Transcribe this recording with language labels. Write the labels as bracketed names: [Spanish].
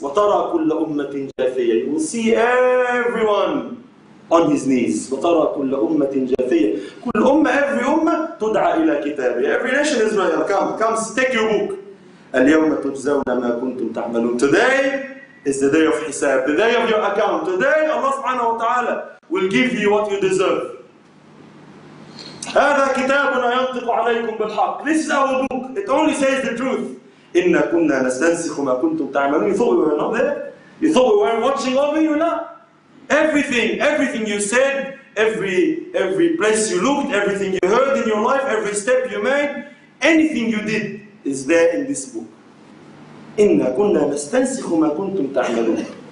[Arabic] وَتَرَى كُلَّ أُمَّةٍ جَاثِيَةٍ. [English] You will see everyone on his knees. [Arabic] وَتَرَى كُلَّ أُمَّةٍ جَاثِيَةٍ. كُلْ أُمَّةٍ. [English] Every ummah [Arabic] تُدْعَى إِلَى كِتَابِهِ. [English] Every nation Israel, come, take your book. [Arabic] الْيَوْمَ تُجْزَوْنَ مَا كُنْتُمْ تَعْمَلُونَ. [English] Today is the day of hisab, the day of your account. Today Allah subhanahu wa ta'ala will give you what you deserve. [Arabic] هذا كتابنا ينطق عليكم بالحق. [English] This is our book. It only says the truth. [Arabic] إنا كنا نستنسخ ما كنتم تعملون. [English] You thought we were not there? You thought we weren't watching over you? No. Everything you said, every place you looked, everything you heard in your life, every step you made, anything you did is there in this book. [Arabic] إنا كنا نستنسخ ما كنتم تعملون.